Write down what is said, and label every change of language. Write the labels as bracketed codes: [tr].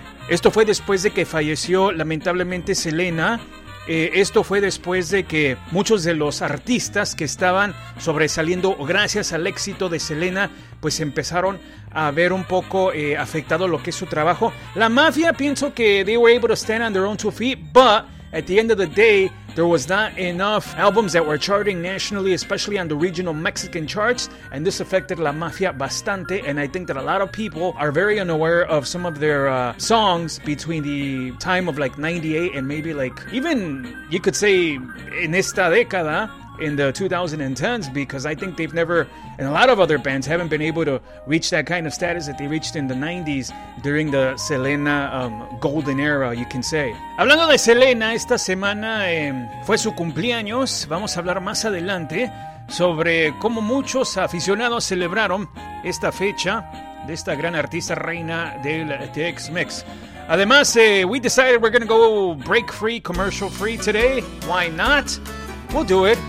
[es] Esto fue después de que falleció, lamentablemente, Selena. Esto fue después de que muchos de los artistas que estaban sobresaliendo gracias al éxito de Selena, pues empezaron a ver un poco afectado lo que es su trabajo. [en] La Mafia, [es] pienso que [en] they were able to stand on their own two feet, but at the end of the day, there was not enough albums that were charting nationally, especially on the regional Mexican charts, and this affected La Mafia [es] bastante, [en] and I think that a lot of people are very unaware of some of their songs between the time of like 98 and maybe like, even you could say [es] en esta década, [en] in the 2010s, because I think they've never, and a lot of other bands haven't been able to reach that kind of status that they reached in the 90s during the Selena golden era, you can say. [es] Hablando de Selena, esta semana fue su cumpleaños. Vamos a hablar más adelante sobre cómo muchos aficionados celebraron esta fecha de esta gran artista reina del Tex-Mex. Además, [en] we decided we're going to go break free, commercial free today. Why not? We'll do it.